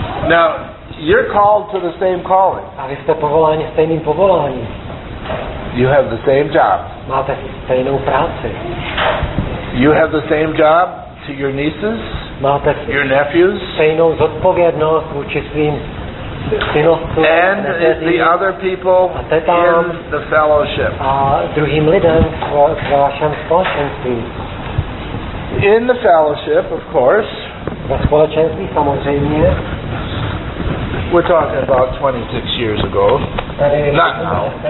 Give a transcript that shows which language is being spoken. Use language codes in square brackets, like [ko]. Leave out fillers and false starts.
[en] Now, you're called to the same calling. [cs] A vy jste povoláni stejným povoláním. [en] You have the same job. [cs] Máte stejnou práci. [en] You have the same job to your nieces. [cs] Máte [en] your nephews. [cs] Stejnou zodpovědnost vůči svým synovcům. [en] And the other people in the fellowship. [cs] A druhým lidem v vašem společenství. [en] In the fellowship, of course. [cs] Ve společenství samozřejmě. [en] We're talking about 26 years ago. Not now.